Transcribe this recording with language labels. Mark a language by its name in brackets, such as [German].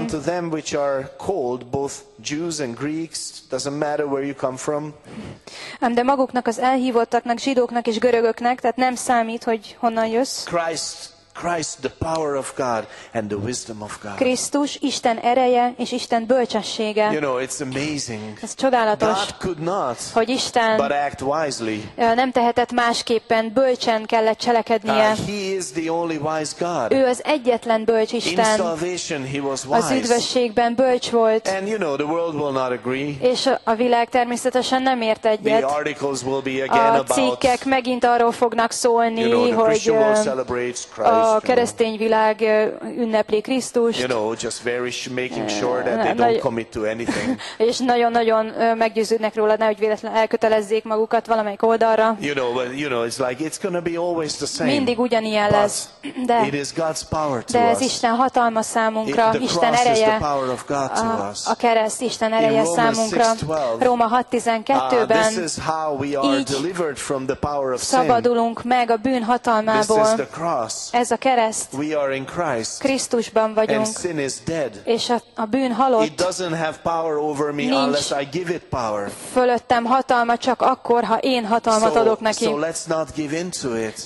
[English] But unto them which are called, both Jews and Greeks, doesn't matter where you come from. [Hungarian] De maguknak az elhívottaknak, zsidóknak és görögöknek, tehát nem számít, hogy honnan jössz. [English] Christ, the power of God and the wisdom of God. [Hungarian] Krisztus, Isten ereje és Isten bölcsessége. [English] You know, it's amazing. [Hungarian] Ez csodálatos. [English] God could not, [Hungarian] hogy Isten [English] but act wisely. [Hungarian] Nem tehetett másképpen, bölcsen kellett cselekednie. [English] He is the only wise God. [Hungarian] Ő az egyetlen bölcs Isten. [English] In salvation, he was wise. [Hungarian] Az üdvösségben bölcs volt. [English] And you know, the world will not agree. [Hungarian] És a világ természetesen nem ért egyet. [English] The articles will be again about. [Hungarian] A cikkek megint arról fognak szólni, [English] you know, the [Hungarian] hogy [English] Christian world celebrates Christ. [Hungarian] A keresztény világ ünnepli Krisztust. [English] You know, just very making sure that they don't commit to anything. [Hungarian] És nagyon-nagyon meggyőződnek róla, nehogy véletlen elkötelezzék magukat valamelyik oldalra. [English] You know, it's like it's going to be always the same. [Hungarian] Mindig ugyanilyen lesz. [English] De it is God's power to us. [Hungarian] De ez Isten hatalma számunkra, Isten ereje. A kereszt Isten ereje számunkra. Róma 6:12-ben. [English] This is how we are delivered from the power of sin. [Hungarian] Szabadulunk meg a bűn hatalmából. [English] This is the cross. [Hungarian] Ez a kereszt. [English] We are in Christ. [Hungarian] Krisztusban vagyunk. [English] And sin is dead. [Hungarian] És a bűn halott. [English] It doesn't have power over me unless I give it power. [Hungarian] Fölöttem hatalma csak akkor, ha én hatalmat adok neki. [English] So let's not give into it.